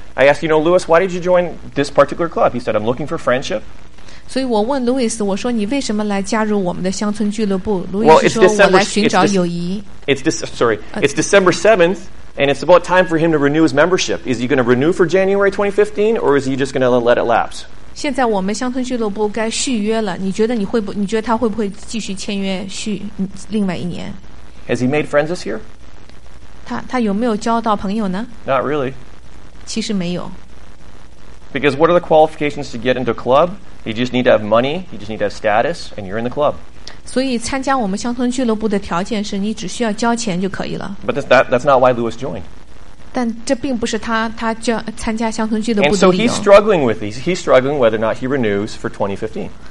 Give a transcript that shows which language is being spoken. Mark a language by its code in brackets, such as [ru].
[en] I asked, you know, Louis, why did you join this particular club? He said, I'm looking for friendship. [zh] 所以我问 Louis, 我说你为什么来加入我们的乡村俱乐部？ [en] It's December 7th, and it's about time for him to renew his membership. Is he going to renew for January 2015, or is he just going to let it lapse? [zh] 现在我们乡村俱乐部该续约了，你觉得他会不会继续签约续另外一年？ [en] Has he made friends this year? [zh] 他有没有交到朋友呢？ [en] Not really. [zh] 其实没有。 [en] Because what are the qualifications to get into a club? You just need to have money, you just need to have status, and you're in the club. [zh] 所以参加我们乡村俱乐部的条件是你只需要交钱就可以了。 [en] But that's not why Louis joined. [zh] 但这并不是他参加乡村俱乐部的理由。 [en] And so he's struggling with this. He's struggling whether or not he renews for 2015.